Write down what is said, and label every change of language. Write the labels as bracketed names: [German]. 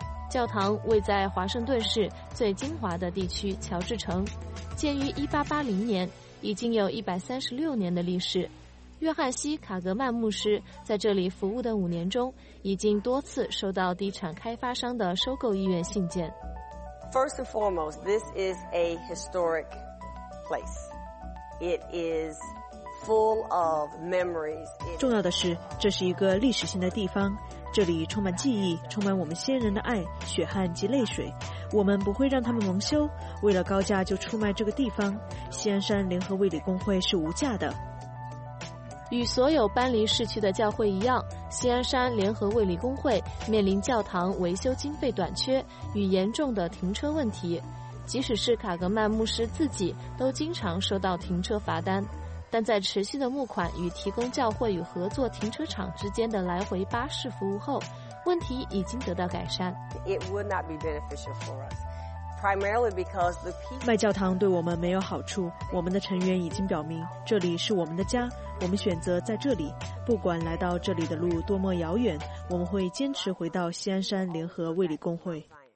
[Chinese] 教堂位在华盛顿市最精华的地区乔治城，建于1880年，已经有136年的历史。约翰西·卡格曼牧师在这里服务的5年中，已经多次收到地产开发商的收购意愿信件。 [English] First and foremost, this is a historic place. It is full of memories. [Chinese] 重要的是，这是一个历史性的地方，这里充满记忆，充满我们先人的爱、血汗及泪水。我们不会让他们蒙羞，为了高价就出卖这个地方。锡安山联合卫理公会是无价的。与所有搬离市区的教会一样，西安山联合卫理公会面临教堂维修经费短缺与严重的停车问题。即使是卡格曼牧师自己都经常收到停车罚单，但在持续的募款与提供教会与合作停车场之间的来回巴士服务后，问题已经得到改善。 [English] It would not be beneficial for us, primarily because the people. [Chinese] 卖教堂对我们没有好处，我们的成员已经表明这里是我们的家，我们选择在这里，不管来到这里的路多么遥远，我们会坚持回到西安山联合卫理公会。